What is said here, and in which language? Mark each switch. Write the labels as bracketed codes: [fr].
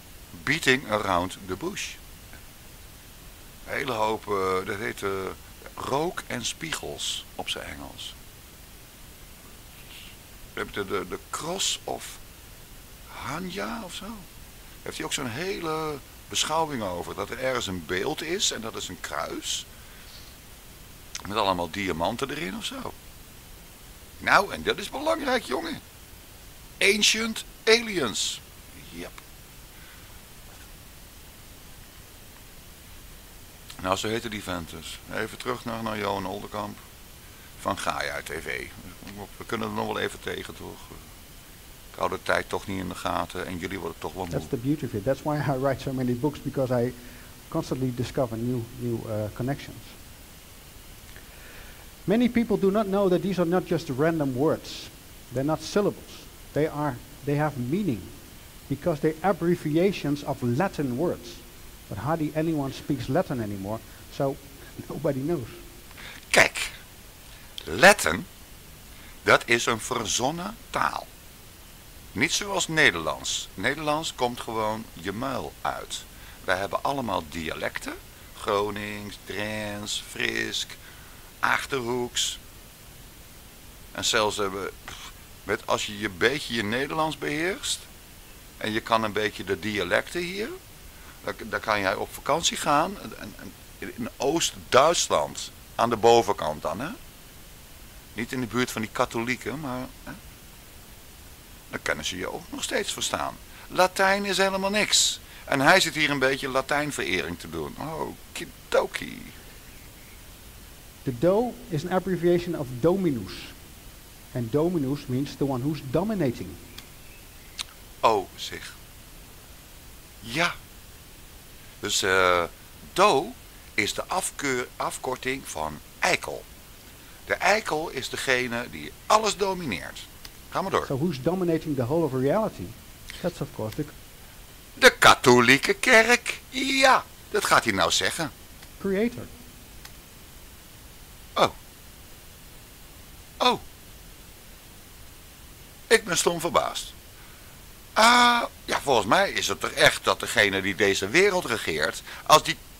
[en] Beating around the bush. [nl] Een hele hoop, dat heette rook en spiegels op zijn Engels. Heb je de Cross of Hanya of zo? Heeft hij ook zo'n hele beschouwing over dat er ergens een beeld is en dat is een kruis. Met allemaal diamanten erin of zo. Nou, en dat is belangrijk, jongen. [en] Ancient Aliens. Yep. [nl] Nou, zo heette die vent dus. Even terug naar Johan Oldekamp. Van Gaia TV. We kunnen er nog wel even tegen, toch? Ik hou de tijd toch niet in de gaten. En jullie worden toch wel moe. [en] That's the beauty of it. That's why I write so many books. Because I constantly discover new connections. Many people do not know that these are not just random words. They're not syllables. They have meaning because they're abbreviations of Latin words. But hardly anyone speaks Latin anymore, so nobody knows. [nl] Kijk, Latin, dat is een verzonnen taal. Niet zoals Nederlands. Nederlands komt gewoon je muil uit. Wij hebben allemaal dialecten. Gronings, Drents, Frisk, Achterhoeks. En zelfs hebben Met als je een beetje je Nederlands beheerst en je kan een beetje de dialecten hier, dan kan jij op vakantie gaan in Oost-Duitsland, aan de bovenkant dan. Hè? Niet in de buurt van die katholieken, maar hè? Dan kunnen ze je ook nog steeds verstaan. Latijn is helemaal niks. En hij zit hier een beetje Latijnverering te doen. Oh, kidoki. De Do is een [en] abbreviation of Dominus. En Dominus means the one who's dominating. [nl] Oh, zeg. Ja. Dus Do is de afkorting van eikel. De eikel is degene die alles domineert. Ga maar door. [en] So who's dominating the whole of reality? That's of course the... [nl] De katholieke kerk. Ja, dat gaat hij nou zeggen. [en] Creator. Oh. Oh. [nl] Ik ben stom verbaasd. Ja, volgens mij is het er echt dat degene die deze wereld regeert, als die...